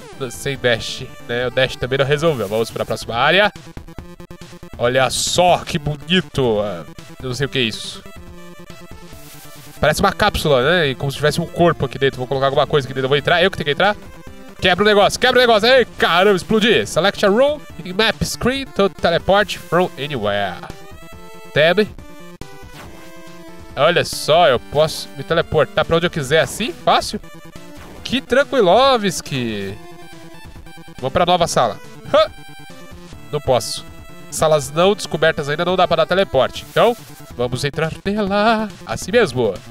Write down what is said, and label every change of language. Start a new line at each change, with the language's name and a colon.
Portuguese: Sem dash, né? O dash também não resolveu. Vamos pra próxima área. Olha só, que bonito. Eu não sei o que é isso. Parece uma cápsula, né? E como se tivesse um corpo aqui dentro. Vou colocar alguma coisa aqui dentro. Vou entrar, eu que tenho que entrar. Quebra o negócio, ei, caramba, explodi.
English: Select a room, map screen to teleport from anywhere. Tab.
Portuguese: Olha só, eu posso me teleportar pra onde eu quiser assim, fácil. Que tranquilovski. Vamos pra nova sala. Ha! Não posso. Salas não descobertas ainda, não dá pra dar teleporte. Então, vamos entrar nela. Assim mesmo.